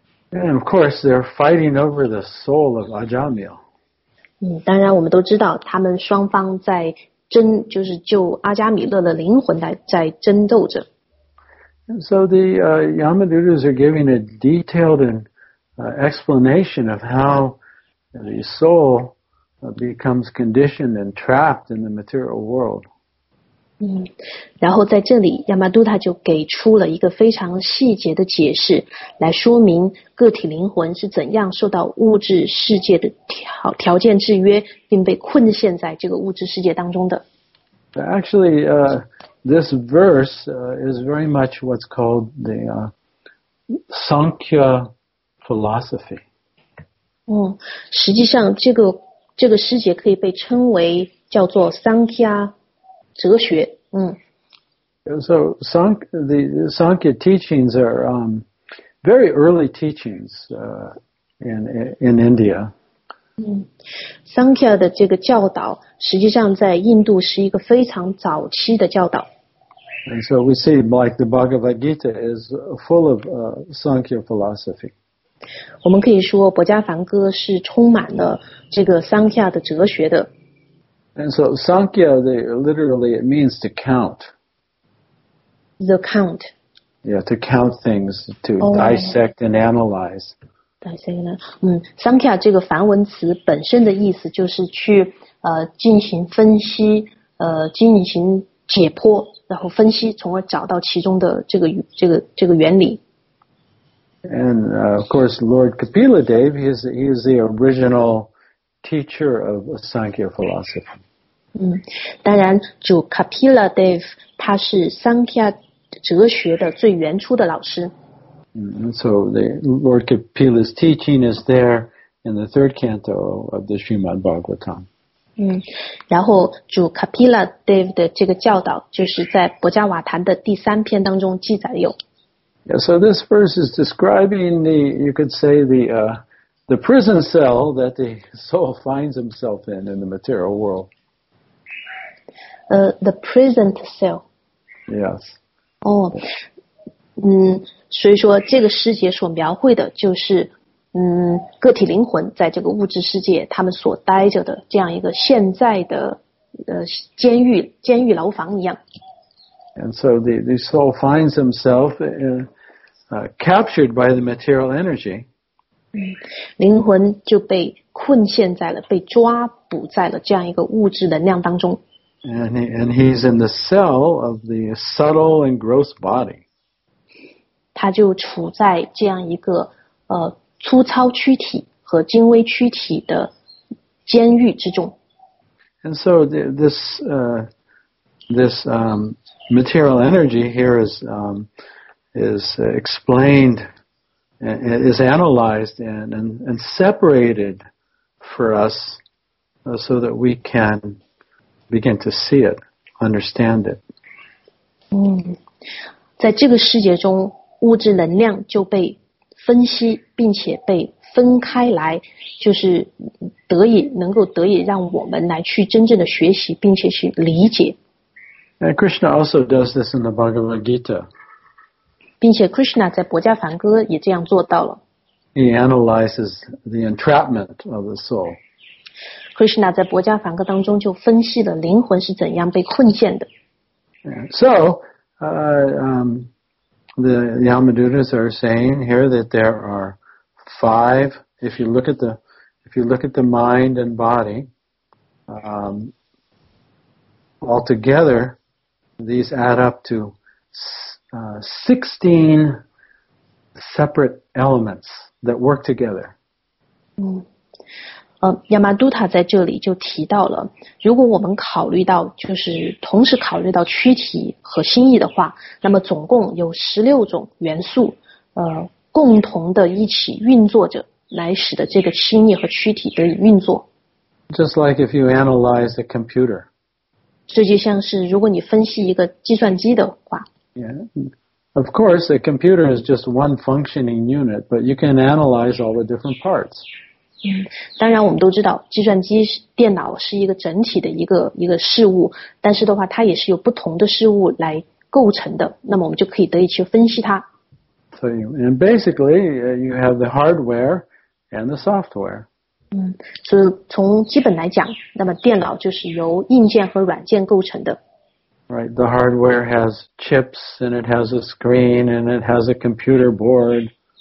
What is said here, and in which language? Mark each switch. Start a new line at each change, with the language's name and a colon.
English: And of course they're fighting over the soul of Ajamil.
Chinese: 当然我们都知道他们双方在争，就是就阿加米勒的灵魂在争斗着。
English: So the Yamadutas are giving a detailed explanation of how the soul becomes conditioned and trapped in the material world.
Chinese: 然后在这里亚马杜塔就给出了一个非常细节的解释，来说明个体灵魂是怎样受到物质世界的条件制约，并被困陷在这个物质世界当中的。
English: Actually, this verse is very much what's called the Sankhya philosophy.
Chinese: 实际上这个诗节可以被称为叫做 Sankhya 哲学。
English: So Sankhya teachings are very early teachings in India.
Chinese: Sankhya 的这个教导实际上在印度是一个非常早期的教导。
English: And so we see like the Bhagavad Gita is full of Sankhya philosophy.
Chinese: 我们可以说博迦梵歌是充满了这个 Sankhya 的哲学的。
English: And so Sankhya, literally it means to count. The count. Yeah, to count things, to dissect and analyze. Dissect.
Chinese: Sankhya 这个梵文词本身的意思就是去进行分析，进行解剖，然后分析，从而找到其中的这个原理。
English: And of course, Lord Kapila Dev, he is the original teacher of Sankhya philosophy.
Chinese: 当然，主 Kapila Dev 他是 Sankhya 哲学的最原初的老师。
English: So the Lord Kapila's teaching is there in the third canto of the Srimad Bhagavatam.
Chinese: 然后主 Kapila Dev 的这个教导就是在博迦瓦坛的第三篇当中记载有。
English: Yeah, so this verse is describing the prison cell that the soul finds himself in the material world. The prison cell. Yes.
Chinese: 所以说这个世界所描绘的就是个体灵魂在这个物质世界他们所待着的这样一个现在的监狱牢房一样。
English: And so the soul finds himself captured by the material energy.
Chinese: 灵魂就被困陷在了，被抓捕在了这样一个物质能量当中。
English: And he's in the cell of the subtle and gross body.
Chinese: 他就处在这样一个粗糙躯体和精微躯体的监狱之中。
English: And so this material energy here is explained, is analyzed and separated for us so that we can begin to see it, understand it.
Chinese: 在这个世界中，物质能量就被分析并且被分开来，就是能够得以让我们来去真正的学习并且去理解。
English: And Krishna also does this in the Bhagavad Gita.
Chinese: 并且 Krishna 在博迦梵歌也这样做到了。
English: He analyzes the entrapment of the soul.
Chinese: Krishna 在博迦梵歌当中就分析了灵魂是怎样被困陷的。
English: So, the Yamadutas are saying here that there are five. If you look at the mind and body, altogether, these add up to 16 separate elements that work together.
Chinese: 亚玛杜塔在这里就提到了，如果我们考虑到就是同时考虑到躯体和心意的话，那么总共有16种元素共同的一起运作着，来使得这个心意和躯体得以运作。
English: Just like if you analyze a computer.
Chinese: 这就像是如果你分析一个计算机的话。
English: Yeah. Of course, a computer is just one functioning unit, but you can analyze all the different parts.
Chinese: 当然我们都知道计算机电脑是一个整体的一个事物，但是的话它也是由不同的事物来构成的，那么我们就可以得以去分析它。
English: So, and basically, you have the hardware and the software.
Chinese: 所以从基本来讲，那么电脑就是由硬件和软件构成的。
English: Right, the hardware has chips and it has a screen and it has a computer board.